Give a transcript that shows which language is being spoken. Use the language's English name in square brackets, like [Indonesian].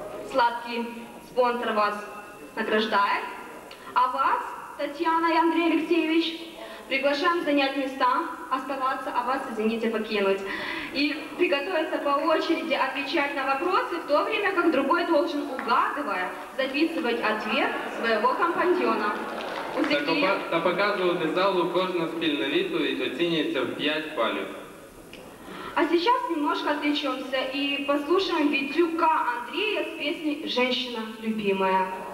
[Russian] Сладкий спонсор вас награждает. А вас, Татьяна и Андрей Алексеевич, приглашаем занять места, оставаться, а вас, извините, покинуть. И приготовиться по очереди отвечать на вопросы, в то время как другой должен, угадывая, записывать ответ своего компаньона. [Ukrainian] Та показувати залу кожну спільну відповідь оцінюється в 5 балів. [Russian] А сейчас немножко отвлечемся и послушаем Витюка Андрея с песней «Женщина любимая».